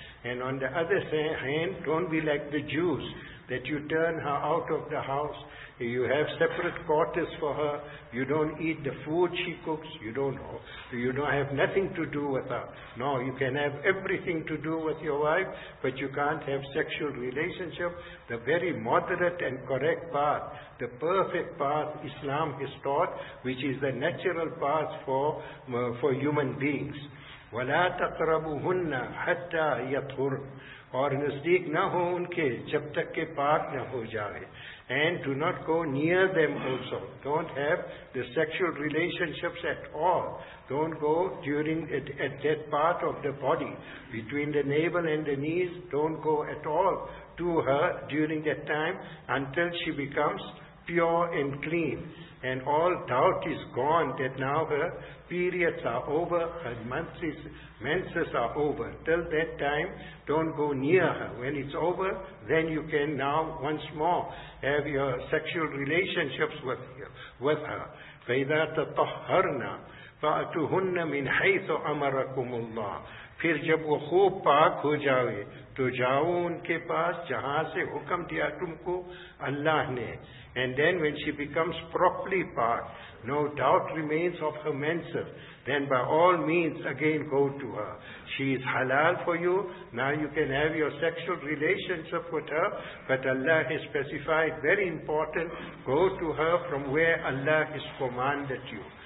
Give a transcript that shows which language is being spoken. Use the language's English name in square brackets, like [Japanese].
[English] And on the other hand, don't be like the Jews, that you turn her out of the house, you have separate quarters for her, you don't eat the food she cooks, you don't have nothing to do with her. No, you can have everything to do with your wife, but you can't have sexual relationship. The very moderate and correct path, the perfect path Islam has taught, which is the natural path for human beings. [Arabic] وَلَا تَقْرَبُهُنَّ حَتَّى يَطْهُرْنَ [Urdu] اور نزدیق نہ ہو ان کے جب تک کہ پاک نہ ہو جائے. [English] And do not go near them also. Don't have the sexual relationships at all. Don't go during at that part of the body. Between the navel and the knees, don't go at all to her during that time until she becomes pure and clean, and all doubt is gone that now her periods are over, her menses are over. Till that time, don't go near her. When it's over, then you can now once more have your sexual relationships with her. [Arabic] فَإِذَا تَطَهَّرْنَا فَأَتُهُنَّ مِنْ حَيْثُ أَمَرَكُمُ اللَّهِ [Urdu] پھر جب وہ خوب پاک ہو جاوے تو جاؤ ان کے پاس جہاں سے حکم دیا تم کو اللہ نے. [English] And then when she becomes properly parked, no doubt remains of her menses, then by all means again go to her. She is halal for you. Now you can have your sexual relationship with her. But Allah has specified, very important, go to her from where Allah has commanded you.